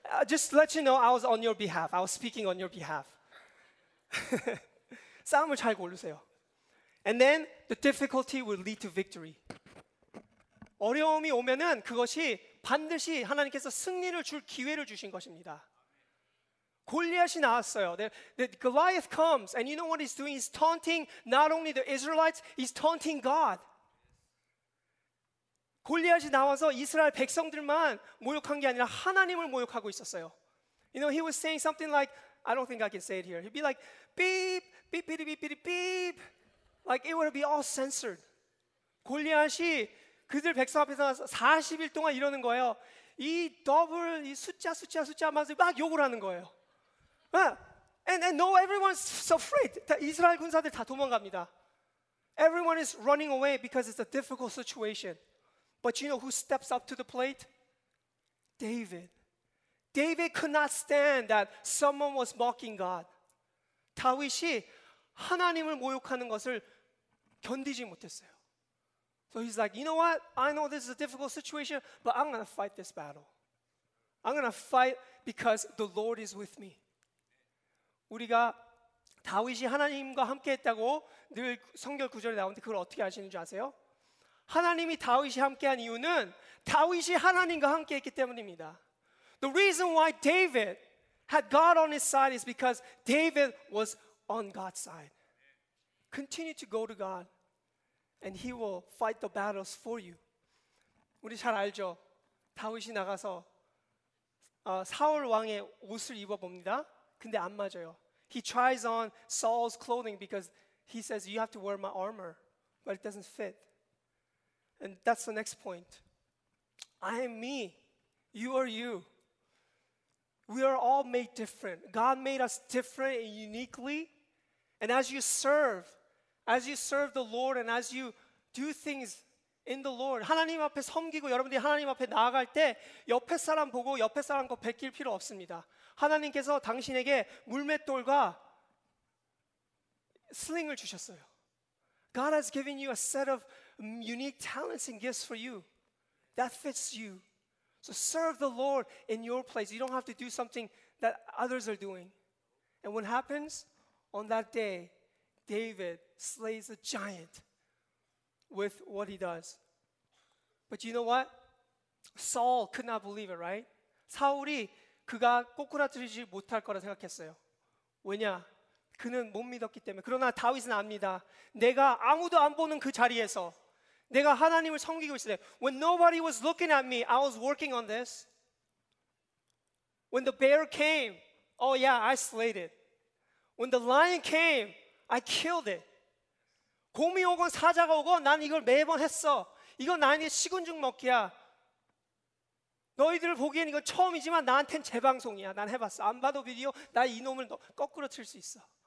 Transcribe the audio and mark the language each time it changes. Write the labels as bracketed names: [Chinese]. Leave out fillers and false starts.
[English] Just to let you know, I was on your behalf. I was speaking on your behalf. [Korean] 싸움을 잘 고르세요. [English] And then the difficulty will lead to victory. [Korean] 어려움이 오면은 그것이 반드시 하나님께서 승리를 줄 기회를 주신 것입니다. 골리앗이 나왔어요. [English] The Goliath comes, and you know what he's doing? He's taunting not only the Israelites, he's taunting God. [Korean] 골리앗이 나와서 이스라엘 백성들만 모욕한 게 아니라 하나님을 모욕하고 있었어요. [English] You know, he was saying something like, I don't think I can say it here. He'd be like, beep, beep, beep, beep, beep, beep. Like it would be all censored. [Korean] 골리앗이 그들 백성 앞에서 40일 동안 이러는 거예요. 이 더블, 이 숫자, 숫자, 숫자 하면서 막 욕을 하는 거예요. [English] And no, everyone's afraid. [Korean] 다, 이스라엘 군사들 다 도망갑니다. [English] Everyone is running away because it's a difficult situation. But you know who steps up to the plate? David. David could not stand that someone was mocking God. [Korean] 다윗이 하나님을 모욕하는 것을 견디지 못했어요. [English] So he's like, you know what? I know this is a difficult situation, but I'm going to fight this battle. I'm going to fight because the Lord is with me. [Korean] 우리가 다윗이 하나님과 함께했다고 늘 성결 구절에 나오는데 그걸 어떻게 아시는 줄 아세요? 하나님이 다윗이 함께한 이유는 다윗이 하나님과 함께했기 때문입니다. [English] The reason why David had God on his side is because David was on God's side. Continue to go to God. And he will fight the battles for you. [Korean] 우리 잘 알죠? 다윗이 나가서 사울 왕의 옷을 입어봅니다. 근데 안 맞아요. [English] He tries on Saul's clothing because he says, you have to wear my armor. But it doesn't fit. And that's the next point. I am me. You are you. We are all made different. God made us different and uniquely. And as you serve the Lord and as you do things in the Lord, [Korean] 하나님 앞에 섬기고 여러분들이 하나님 앞에 나아갈 때 옆에 사람 보고 옆에 사람 거 베낄 필요 없습니다. 하나님께서 당신에게 물맷돌과 슬링을 주셨어요. [English] God has given you a set of unique talents and gifts for you. That fits you. So serve the Lord in your place. You don't have to do something that others are doing. And what happens on that day, David slays a giant with what he does. But you know what? Saul could not believe it, right? [Korean] 사울이 그가 꼬꾸라뜨리지 못할 거라 생각했어요. 왜냐? 그는 못 믿었기 때문에. 그러나 다윗은 압니다. 내가 아무도 안 보는 그 자리에서 내가 하나님을 섬기고 있을 때, [English] when nobody was looking at me, I was working on this. When the bear came, oh yeah, I slayed it. When the lion came, I killed it. [Korean] 곰이 오건 사자가 오건 난 이걸 매번 했어. 이건 나에게 식은 죽 먹기야. 너희들 보기엔 이거 처음이지만 나한텐 재방송이야. 난 해봤어. 안 봐도 비디오 나 이놈을 거꾸로 칠 수 있어.